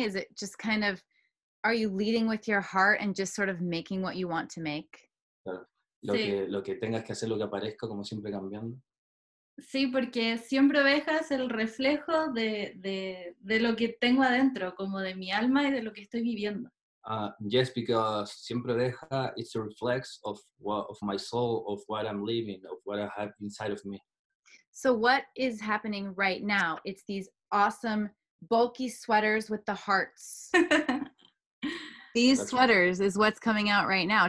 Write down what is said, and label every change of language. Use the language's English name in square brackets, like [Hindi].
[English] Is it just kind of, are you leading with your heart and just sort of making what you want to make? [Spanish] Lo que tengas que hacer, lo que aparezca, como siempre cambiando. Sí, porque siempre oveja es el reflejo de lo que tengo adentro, como de mi alma y de lo que estoy viviendo. [English] Yes, because siempre oveja is a reflex of my soul, of what I'm living, of what I have inside of me. So what is happening right now? It's these awesome bulky sweaters with the hearts. These sweaters is what's coming out right now.